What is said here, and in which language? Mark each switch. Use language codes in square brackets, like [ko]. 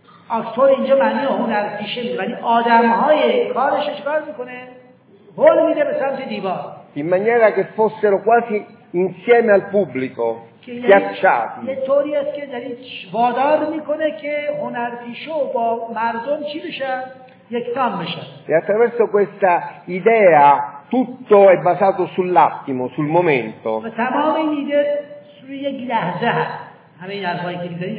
[fa] اکتور اینجا معنی هنرپیشه میده ولی آدمهای کارش چیکار میکنه؟ هول میده به سمت دیوار. [it] In maniera che fossero quasi insieme al pubblico, schiacciati. [fa] یه طوری است که داری وادار میکنه که هنرپیشه با مردم چی بشن؟ یکتان بشن. [it] E attraverso questa idea tutto è basato sull'attimo, sul momento. [fa] و تمام این ایده روی یک لحظه هست. همه این حرفایی که میزنید.